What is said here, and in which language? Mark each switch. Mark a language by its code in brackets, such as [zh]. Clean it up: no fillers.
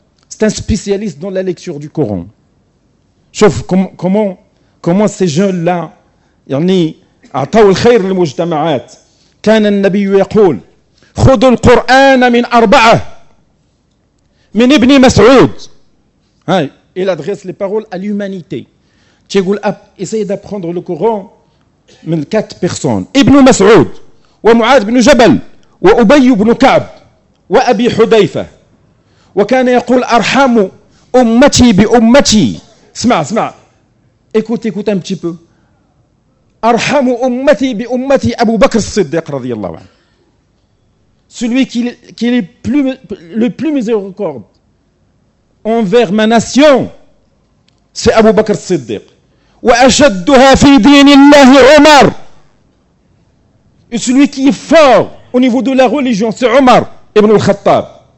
[fr] c'est un spécialiste dans la lecture du Coran. [ar] شوف [fr] comment ces jeunes là [ar] يعني اعطوا الخير للمجتمعات. كان النبي يقول خذوا القران من اربعه من ابن مسعود. [fr] هاي il adresse les paroles à l'humanité. تيقول essayez d'apprendre le Coran من quatre personnes. [ar] ابن مسعود ومعاذ بن جبل وأبي بن كعب وأبي حذيفة. وكان يقول أرحم أمتي بأمتي. [fr] اسمع écoute un petit peu. [ar] أرحم أمتي بأمتي أبو بكر الصديق رضي الله عنه. [fr] Celui qui est le plus miséricorde envers ma nation c'est Abu Bakr الصديق. [ar] وأشدها في دين الله عمر. [fr] Celui qui est fort au niveau de la religion c'est عمر ابن الخطاب.